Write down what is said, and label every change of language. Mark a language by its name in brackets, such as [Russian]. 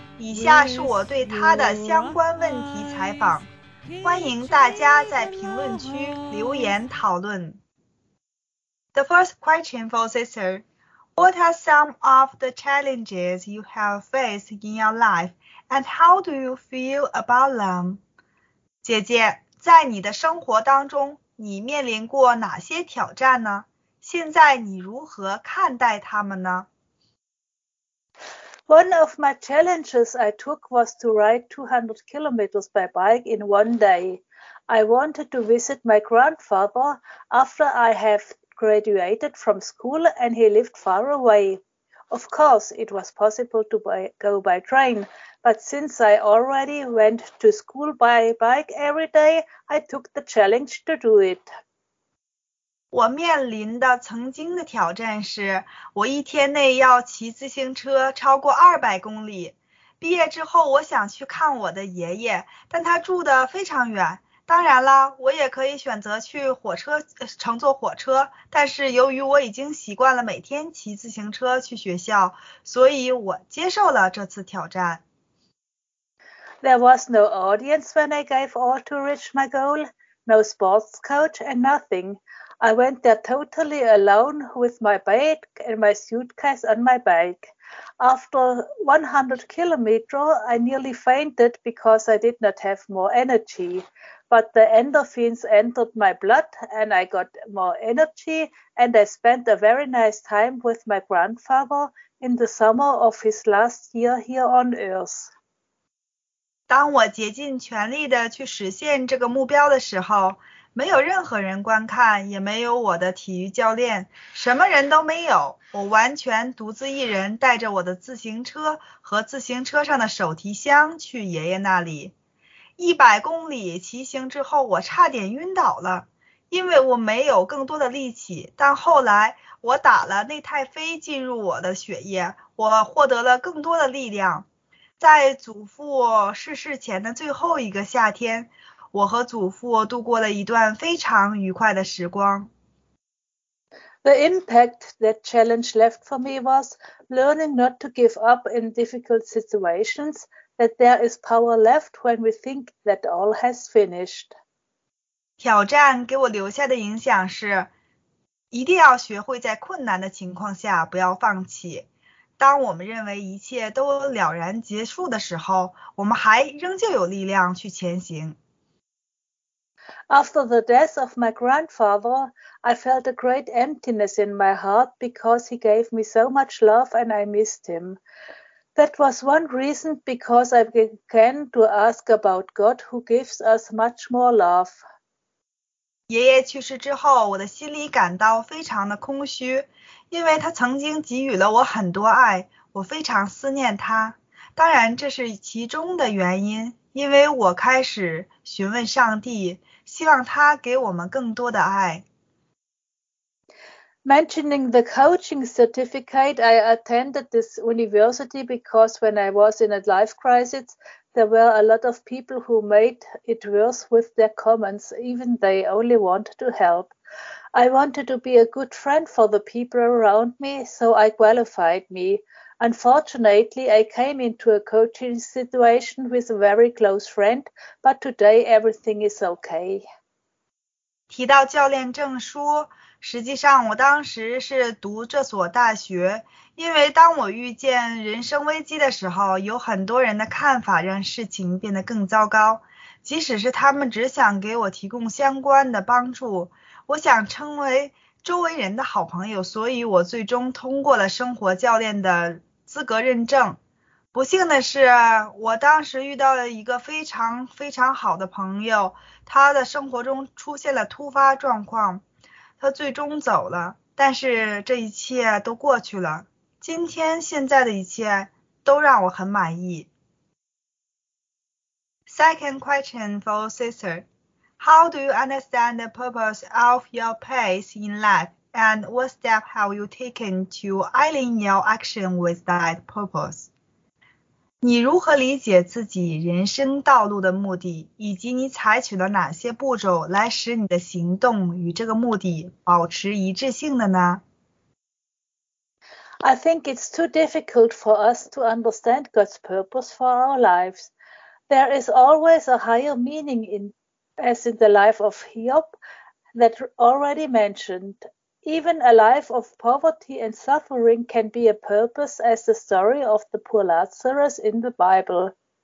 [Chinese] 以下是我对他的相关问题采访，欢迎大家在评论区留言讨论。 [English] The first question for Sister: What are some of the challenges you have faced in your life and how do you feel about them? [Chinese] 姐姐，在你的生活当中，你面临过哪些挑战呢？现在你如何看待他们呢？ [English] One of my challenges I took was to ride 200 kilometers by bike in one day. I wanted to visit my grandfather after I have graduated from school and he lived far away. Of course, it was possible to go by train, but since I already went to school by bike every day, I took the challenge to do it. [Chinese] 我面临的曾经的挑战是，我一天内要骑自行车超过200公里。毕业之后，我想去看我的爷爷，但他住得非常远。当然了，我也可以选择去火车，乘坐火车，但是由于我已经习惯了每天骑自行车去学校，所以我接受了这次挑战。 [English] There was no audience when I gave all to reach my goal, no sports coach and nothing. I went there totally alone with my bike and my suitcase on my back. After 100 kilometers, I nearly fainted because I did not have more energy. But the endorphins entered my blood and I got more energy and I spent a very nice time with my grandfather in the summer of his last year here on Earth. [Chinese] 当我竭尽全力地去实现这个目标的时候，没有任何人观看，也没有我的体育教练，什么人都没有，我完全独自一人带着我的自行车和自行车上的手提箱去爷爷那里。 100公里骑行之后，我差点晕倒了，因为我没有更多的力气，但后来我打了内太菲进入我的血液，我获得了更多的力量。在祖父逝世前的最后一个夏天，我和祖父度过了一段非常愉快的时光。 [English] The impact that challenge left for me was learning not to give up in difficult situations, that there is power left when we think that all has finished. [Chinese] 挑战给我留下的影响是，一定要学会在困难的情况下不要放弃。当我们认为一切都了然结束的时候，我们还仍旧有力量去前行。 [English] After the death of my grandfather, I felt a great emptiness in my heart because he gave me so much love and I missed him. That was one reason because I began to ask about God who gives us much more love. [Chinese] 爷爷去世之后，我的心里感到非常的空虚，因为他曾经给予了我很多爱，我非常思念他。当然，这是其中的原因，因为我开始询问上帝，希望他给我们更多的爱。 [English] Mentioning the coaching certificate, I attended this university because when I was in a life crisis, there were a lot of people who made it worse with their comments, even they only wanted to help. I wanted to be a good friend for the people around me, so I qualified me. Unfortunately, I came into a coaching situation with a very close friend, but today everything is okay. [Chinese] 提到教练证书，实际上我当时是读这所大学，因为当我遇见人生危机的时候，有很多人的看法让事情变得更糟糕，即使是他们只想给我提供相关的帮助，我想成为周围人的好朋友，所以我最终通过了生活教练的资格认证。不幸的是，我当时遇到了一个非常非常好的朋友，他的生活中出现了突发状况，他最终走了，但是这一切都过去了。今天现在的一切都让我很满意。 [English] Second question for sister. How do you understand the purpose of your pace in life, and what step have you taken to align your action with that purpose? [Chinese] 你如何理解自己人生道路的目的，以及你采取了哪些步骤来使你的行动与这个目的保持一致性的呢？ [English] I think it's too difficult for us to understand God's purpose for our lives. There is always a higher meaning in, as in the life of Hiob that already mentioned. Even a life of poverty and suffering can be a purpose, as the story of the poor Lazarus in the Bible.